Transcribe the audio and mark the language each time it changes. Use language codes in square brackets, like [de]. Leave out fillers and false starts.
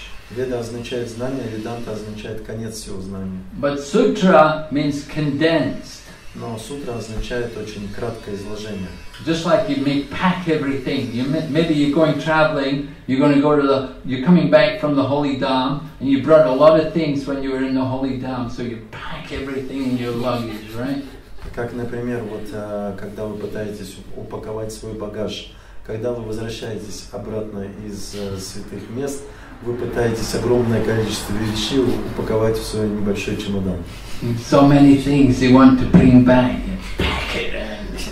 [ru] Веда означает знание, Веданта означает конец всего знания. [en] But sutra means condensed. [ru] Но сутра означает очень краткое изложение. [en] Just like you may pack everything. Maybe you're going traveling. You're coming back from the holy dham, and you brought a lot of things when you were in the holy dham. So you pack everything in your luggage, right? [ru] Как, например, вот когда вы пытаетесь упаковать свой багаж, когда вы возвращаетесь обратно из святых мест, вы пытаетесь огромное количество вещей упаковать в свой небольшой чемодан. [en] So many things you want to bring back, pack it in.